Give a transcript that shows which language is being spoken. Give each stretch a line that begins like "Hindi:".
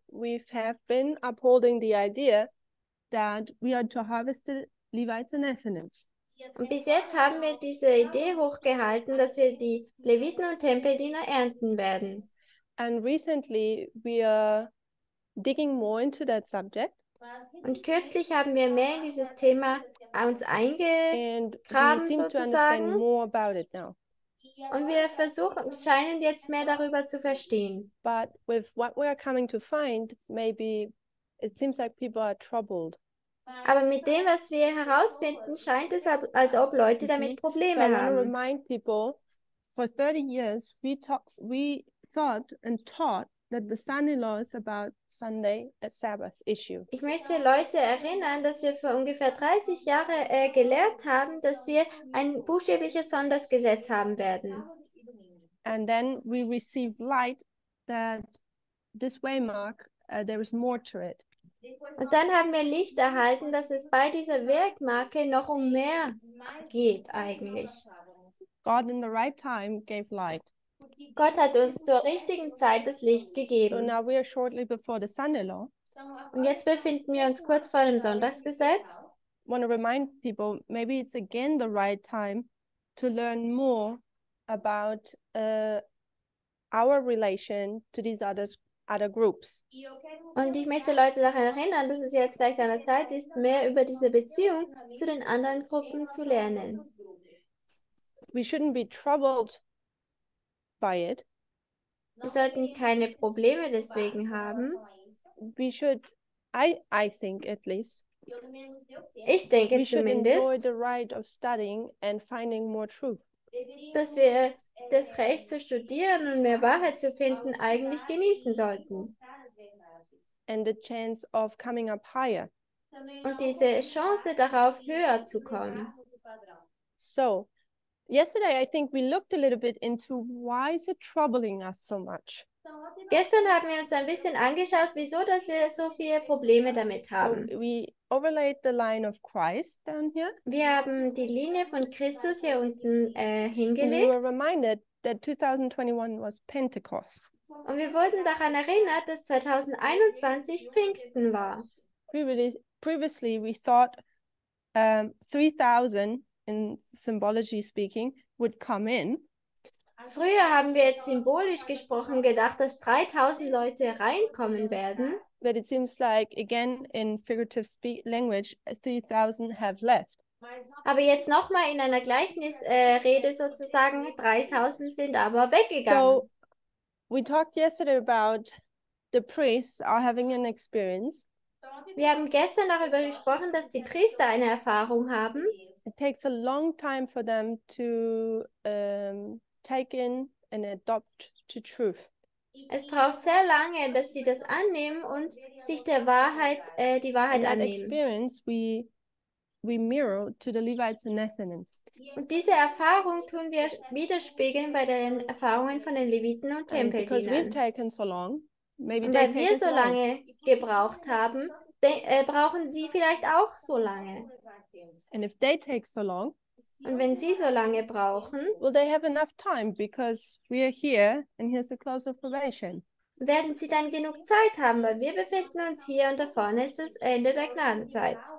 English: We have been upholding the idea that we are to harvest the Levites and Ethanims.
German: Und bis jetzt haben wir diese Idee hochgehalten, dass wir die Leviten und Tempeldiener ernten werden.
English: And recently we are digging more into that subject.
German: Und kürzlich haben wir mehr in dieses Thema uns
English: eingegraben,
German: sozusagen.
English: And we seem to understand more about it now.
German: Und wir scheinen jetzt mehr darüber zu verstehen.
English: But with what we are coming to find, maybe it seems like people are troubled.
German: Aber mit dem, was wir herausfinden, scheint es, als ob Leute damit Probleme
English: So I want to
German: haben.
English: remind people, for 30 years we thought and taught that the son-in-law is about Sunday at Sabbath issue.
German: Ich möchte Leute erinnern, dass wir vor ungefähr 30 Jahren gelehrt haben, dass wir ein buchstäbliches Sondergesetz haben werden.
English: And then we received light that this way mark, there is more to it.
German: Und dann haben wir Licht erhalten, dass es bei dieser Werkmarke noch um mehr geht eigentlich.
English: God in the right time gave light.
German: Gott hat uns zur richtigen Zeit das Licht gegeben.
English: So now we are shortly before the Sunday-law.
German: Und jetzt befinden wir uns kurz vor dem Sonntagsgesetz.
English: I want to remind people, maybe it's again the right time to learn more about our relation to these other groups.
German: Und ich möchte Leute daran erinnern, dass es jetzt vielleicht an der Zeit ist, mehr über diese Beziehung zu den anderen Gruppen zu lernen.
English: We shouldn't be troubled by it.
German: Wir sollten keine Probleme deswegen haben.
English: We should, I think at least,
German: ich denke
English: we should
German: zumindest,
English: enjoy the right of studying and finding more truth.
German: Dass wir das Recht zu studieren und mehr Wahrheit zu finden eigentlich genießen sollten.
English: And the chance of coming up higher.
German: Und diese Chance darauf, höher zu kommen.
English: So, yesterday I think we looked a little bit into why is it troubling us so much.
German: Gestern haben wir uns ein bisschen angeschaut, wieso dass wir so viele Probleme damit haben.
English: So we overlaid the line of Christ down here.
German: Wir haben die Linie von Christus hier unten hingelegt.
English: And we were reminded that 2021 was Pentecost.
German: Und wir wurden daran erinnert, dass 2021 Pfingsten war.
English: Previously we thought 3000 in symbology speaking would come in.
German: Früher haben wir jetzt symbolisch gesprochen gedacht, dass 3000 Leute reinkommen werden.
English: But it seems like again in figurative speech language 3000 have left.
German: Aber jetzt noch mal in einer Gleichnisrede sozusagen 3000 sind aber weggegangen.
English: So we talked yesterday about the priests are having an experience.
German: Wir haben gestern darüber gesprochen, dass die Priester eine Erfahrung haben.
English: It takes a long time for them to take in and adopt to truth.
German: Es braucht sehr lange, dass sie das annehmen und sich der Wahrheit die Wahrheit
English: and that
German: annehmen.
English: Experience we mirror to the Levites and Nethinims.
German: Und diese Erfahrung tun wir widerspiegeln bei den Erfahrungen von den Leviten und Tempeldienern.
English: Because we've taken so long, maybe
German: und
English: they
German: weil
English: take
German: wir so
English: long.
German: Lange gebraucht haben, brauchen sie vielleicht auch so lange.
English: And if they take so long,
German: und wenn sie so lange brauchen,
English: will they have enough time because we are here and here's the close of probation.
German: Werden sie dann genug Zeit haben, weil wir befinden uns hier und da vorne ist das Ende der Gnadenzeit.